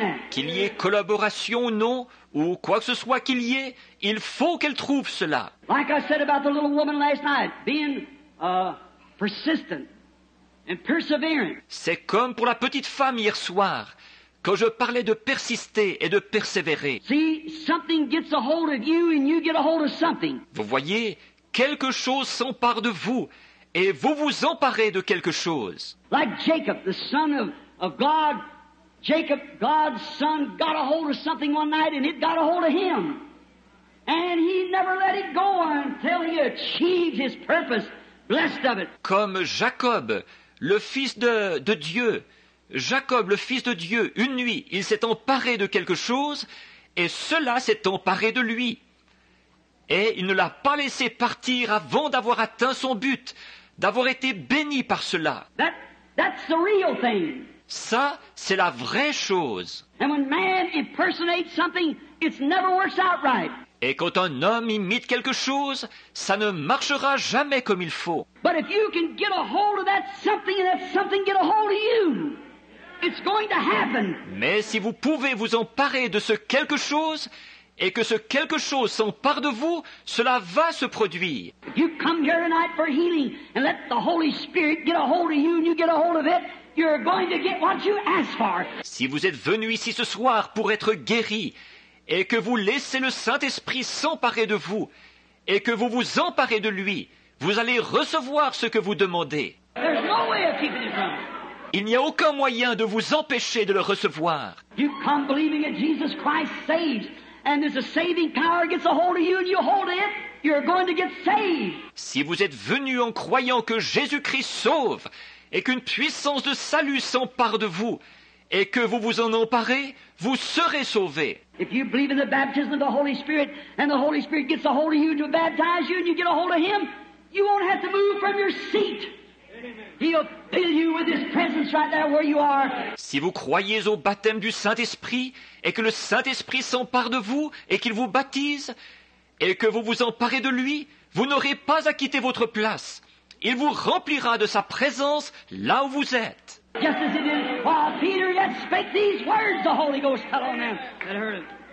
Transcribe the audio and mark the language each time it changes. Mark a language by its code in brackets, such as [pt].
[fr] Qu'il y ait collaboration ou non, ou quoi que ce soit qu'il y ait, il faut qu'elle trouve cela. [en] Like I said about the little woman last night, being persistent and persevering. [fr] C'est comme pour la petite femme hier soir, quand je parlais de persister et de persévérer. [en] See, something gets a hold of you and you get a hold of something. [fr] Vous voyez, quelque chose s'empare de vous, et vous vous emparez de quelque chose. [en] Like Jacob, the son of God, Jacob, God's son, got a hold of something one night, and it got a hold of him. And he never let it go until he achieved his purpose, blessed of it. [fr] Comme Jacob, le fils de Dieu, Jacob, le fils de Dieu, une nuit, il s'est emparé de quelque chose, et cela s'est emparé de lui. Et il ne l'a pas laissé partir avant d'avoir atteint son but, d'avoir été béni par cela. [en] That's the real thing. [fr] Ça, c'est la vraie chose. [en] And when man impersonates something, it never works out right. [fr] Et quand un homme imite quelque chose, ça ne marchera jamais comme il faut. [en] But if you can get a hold of that something and that something get a hold of you, it's going to happen. [fr] Mais si vous pouvez vous emparer de ce quelque chose, et que ce quelque chose s'empare de vous, cela va se produire. [en] You come here tonight for healing and let the Holy Spirit get a hold of you and you get a hold of it, you're going to get what you ask for. [fr] Si vous êtes venu ici ce soir pour être guéri et que vous laissez le Saint-Esprit s'emparer de vous et que vous vous emparez de lui, vous allez recevoir ce que vous demandez. [en] There's no way of keeping it from you. [fr] Il n'y a aucun moyen de vous empêcher de le recevoir. [en] You come believing that Jesus Christ saves, and there's a saving power gets a hold of you, and you hold it. You're going to get saved. [fr] Si vous êtes venu en croyant que Jésus-Christ sauve et qu'une puissance de salut s'empare de vous et que vous vous en emparez, vous serez sauvé. [en] If you believe in the baptism of the Holy Spirit and the Holy Spirit gets a hold of you to baptize you and you get a hold of him, you won't have to move from your seat. He'll fill you with his presence right there where you are. [fr] Si vous croyez au baptême du Saint-Esprit et que le Saint-Esprit s'empare de vous et qu'il vous baptise, et que vous vous emparez de lui, vous n'aurez pas à quitter votre place. Il vous remplira de sa présence là où vous êtes. [en] Just as it is, while Peter yet spake these words, the Holy Ghost fell on them that heard it.